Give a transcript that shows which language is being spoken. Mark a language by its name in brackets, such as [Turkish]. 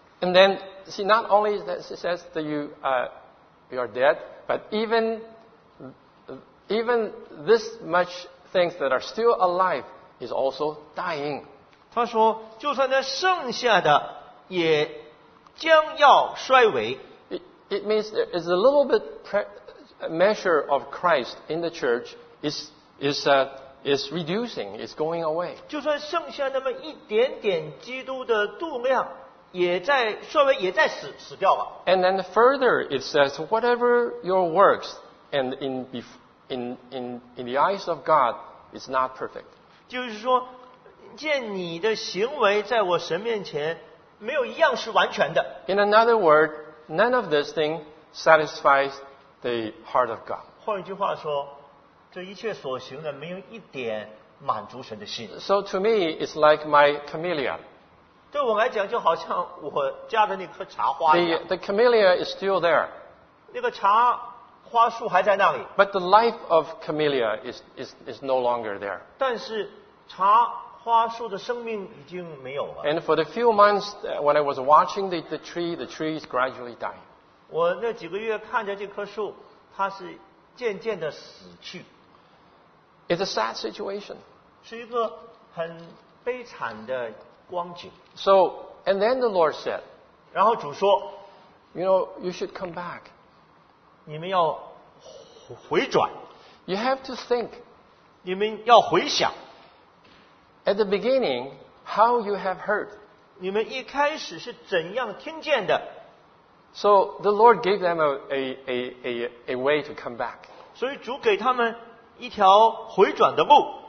[English] And then, see, not only that it says that you are dead, but even this much things that are still alive is also dying. [Chinese] 他说，就算那剩下的也将要衰微。 [English] It means there is a little bit measure of Christ in the church is reducing, is going away. [Chinese] 就算剩下那么一点点基督的度量。也在说为也在死掉了。 [English] And then further it says, whatever your works and in the eyes of God is not perfect. [Chinese] 就是说，见你的行为在我神面前没有一样是完全的。 [English] In another word, none of this thing satisfies the heart of God. [Chinese] 换一句话说，这一切所行的没有一点满足神的心。 [English] So to me, it's like my camellia. [Chinese] 对我来讲，就好像我家的那棵茶花一样。 [English] The camellia is still there. [Chinese] 那个茶花树还在那里。 [English] But the life of camellia is no longer there. [Chinese] 但是茶花树的生命已经没有了。 [English] And for the few months when I was watching the tree is gradually dying. [Chinese] 我那几个月看着这棵树，它是渐渐的死去。 [English] It's a sad situation. [Chinese] 是一个很悲惨的光景。 [English] So, and then the Lord said, [Chinese] 然后主说， [English] You know, you should come back. [Chinese] 你们要回转。 [English] You have to think. [Chinese] 你们要回想。 [English] At the beginning, how you have heard. [Chinese] 你们一开始是怎样听见的？ [English] So the Lord gave them a way to come back. [Chinese] 所以主给他们一条回转的路。